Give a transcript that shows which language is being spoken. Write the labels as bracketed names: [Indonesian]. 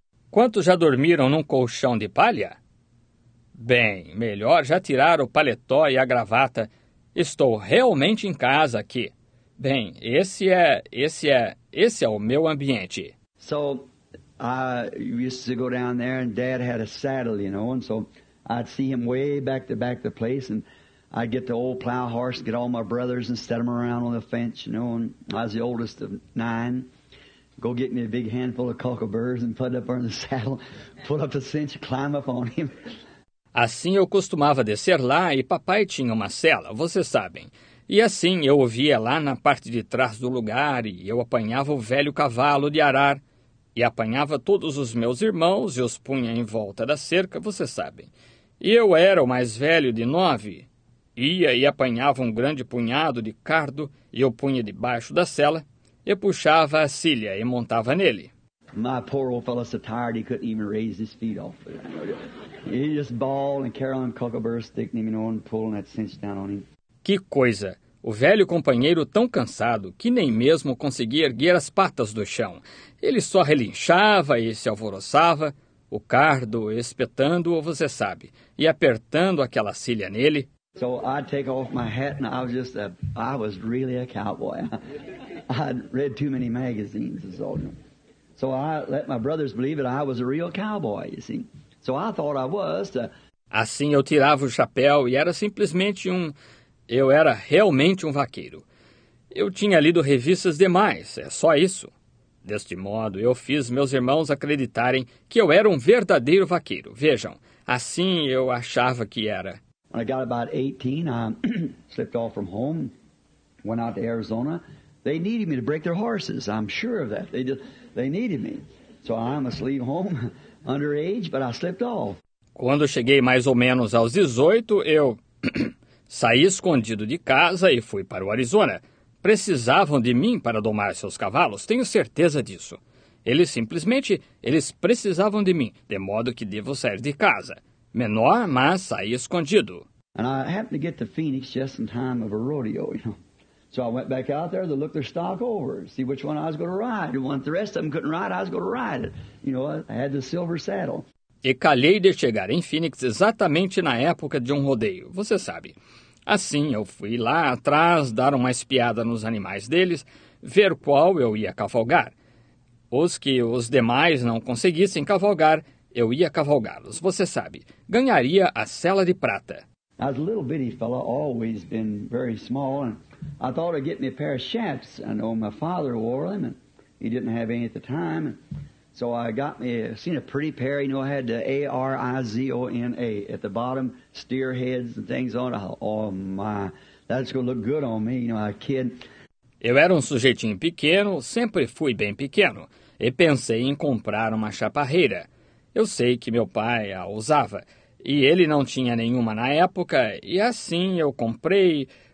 [Portuguese] Quantos já dormiram num colchão de palha? Bem, melhor já tirar o paletó e a gravata. Estou realmente em casa aqui. Bem, esse é o meu ambiente. [English] So, I used to go down there and dad had a saddle, you know, and so I'd see him way back to back the place and I'd get the old plow horse, get all my brothers and set them around on the fence, you know, and I was the oldest of nine. Go get me a big handful of cockleburrs and put up on the saddle, pull up the cinch, climb up on him. [Portuguese] Assim eu costumava descer lá e papai tinha uma sela, vocês sabem. E assim eu o via lá na parte de trás do lugar e eu apanhava o velho cavalo de arar e apanhava todos os meus irmãos e os punha em volta da cerca, vocês sabem. E eu era o mais velho de nove. Ia e apanhava um grande punhado de cardo e eu punha debaixo da sela e puxava a cilha e montava nele. [English] My poor old fellow so tired he couldn't even raise his feet off. He just bawled and carrying cockleburrs sticking him, you know, and pulling that cinch down on him. [Portuguese] Que coisa! O velho companheiro tão cansado que nem mesmo conseguia erguer as patas do chão. Ele só relinchava e se alvoroçava, o cardo espetando-o, você sabe, e apertando aquela cilha nele. [English] So I'd take off my hat and I was really a cowboy. I'd read too many magazines, so I let my brothers believe that I was a real cowboy, you see. So I thought I was. [Portuguese] Assim eu tirava o chapéu e era simplesmente um... Eu era realmente um vaqueiro. Eu tinha lido revistas demais, é só isso. Deste modo, eu fiz meus irmãos acreditarem que eu era um verdadeiro vaqueiro. Vejam, assim eu achava que era. [English] When I got about 18, I slipped off from home, went out to Arizona. They needed me to break their horses, I'm sure of that. They needed me. So I must leave home underage, but I slipped off. [Portuguese] Quando cheguei mais ou menos aos 18, eu... Saí escondido de casa e fui para o Arizona. Precisavam de mim para domar seus cavalos, tenho certeza disso. Eles precisavam de mim, de modo que devo sair de casa. Menor, mas saí escondido. [English] And I happened to get to Phoenix just in time of a rodeo, you know. So I went back out there to look their stock over, see which one I was going to ride. The one the rest of them couldn't ride, I was going to ride it. You know, I had the silver saddle. [Portuguese] E calhei de chegar em Phoenix exatamente na época de um rodeio, você sabe. Assim, eu fui lá atrás dar uma espiada nos animais deles, ver qual eu ia cavalgar. Os que os demais não conseguissem cavalgar, eu ia cavalgá-los, você sabe. Ganharia a sela de prata. [English] As a little bitty fellow, always been very small, and I thought I'd get me a pair of chaps. I know my father wore them, and he didn't have any at the time. So I got me, seen a pretty pair, you know, I had the A-R-I-Z-O-N-A at the bottom, steer heads and things on it. Oh my, that's going to look good on me, you know, a kid. [Portuguese] Eu era um sujeitinho pequeno, sempre fui bem pequeno, e pensei em comprar uma chaparreira. Eu sei que meu pai a usava, e ele não tinha nenhuma na época, e assim eu comprei,